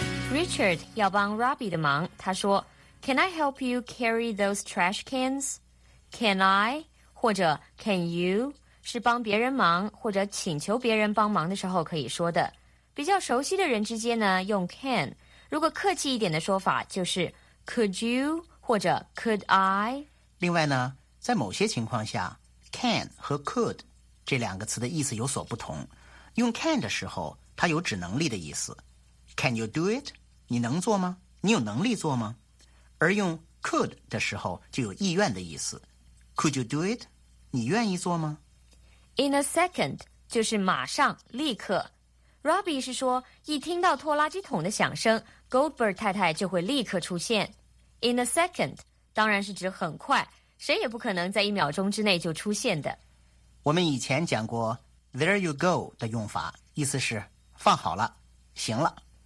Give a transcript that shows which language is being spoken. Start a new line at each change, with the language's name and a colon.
English: Richard
Chinese: 要帮 Robbie 的忙，他说
English: ：“Can I help you carry those trash cans? Can I?”
Chinese: 或者
English: can you
Chinese: 是帮别人忙或者请求别人帮忙的时候可以说的。比较熟悉的人之间呢，用 can。如果客气一点的说法就是 could you 或者 could I。另外呢，在某些情况下 can 和 could 这两个词的意思有所不同。用 can 的时候，它有指能力的意思。
English: Can you do it？
Chinese: 你能做吗？你有能力做吗？而用 could 的时候就有意愿的意思。
English: Could you do it?
Chinese: 你愿意做吗？
English: In a second,
Chinese: 就是马上立刻。 Robbie 是说一听到拖垃圾桶的响声， Goldberg 太太就会立刻出现。
English: In a second,
Chinese: 当然是指很快，谁也不可能在一秒钟之内就出现的。我们以前讲过
English: there you go
Chinese: 的用法，意思是放好了，行了。